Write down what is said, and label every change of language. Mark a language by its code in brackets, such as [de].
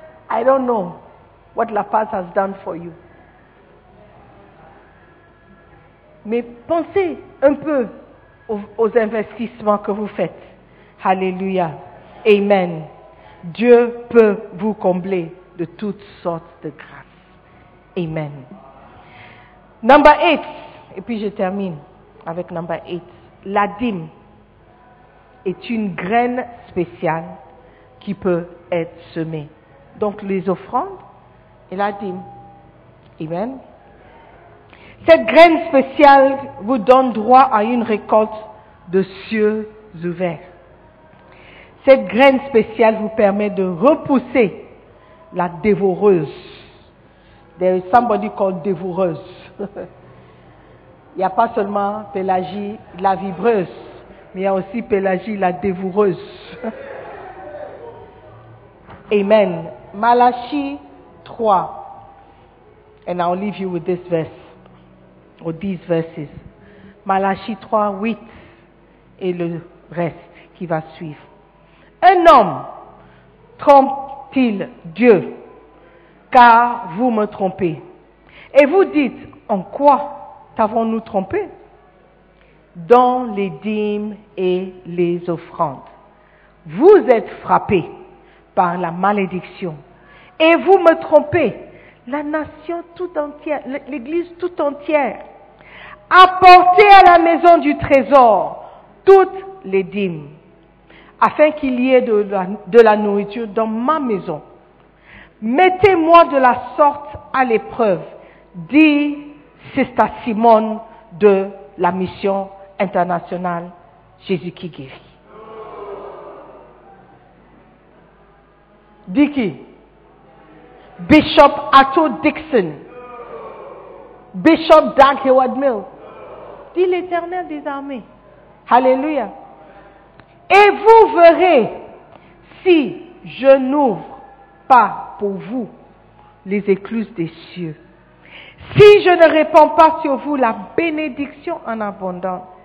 [en] I don't know what La Paz has done for you. [fr] Mais pensez un peu aux investissements que vous faites. Alléluia. Amen. Dieu peut vous combler de toutes sortes de grâces. Amen. [en] Number 8. [fr] Et puis je termine avec [en] number 8. [fr] La dîme est une graine spéciale qui peut être semé. Donc les offrandes et la dîme. Amen. Cette graine spéciale vous donne droit à une récolte de cieux ouverts. Cette graine spéciale vous permet de repousser la dévoreuse. [en] There is somebody called dévoreuse. [fr] Il n'y a pas seulement Pélagie la vibreuse, mais il y a aussi Pélagie la dévoreuse. Amen. Malachi 3. [en] And I'll leave you with this verse, or these verses. [fr] Malachi 3, 8, et le reste qui va suivre. Un homme trompe-t-il Dieu, car vous me trompez. Et vous dites, en quoi t'avons-nous trompé? Dans les dîmes et les offrandes. Vous êtes frappés par la malédiction. Et vous me trompez. La nation tout entière, l'église tout entière. Apportez à la maison du trésor toutes les dîmes. Afin qu'il y ait de la nourriture dans ma maison. Mettez-moi de la sorte à l'épreuve, dit Sister Simone de la mission internationale Jésus qui guérit. Dit qui? Bishop Otto Dixon. Bishop Doug Howard Mill. Dit l'Éternel des armées. Alléluia. Et vous verrez si je n'ouvre pas pour vous les écluses des cieux. Si je ne répands pas sur vous la bénédiction en abondance.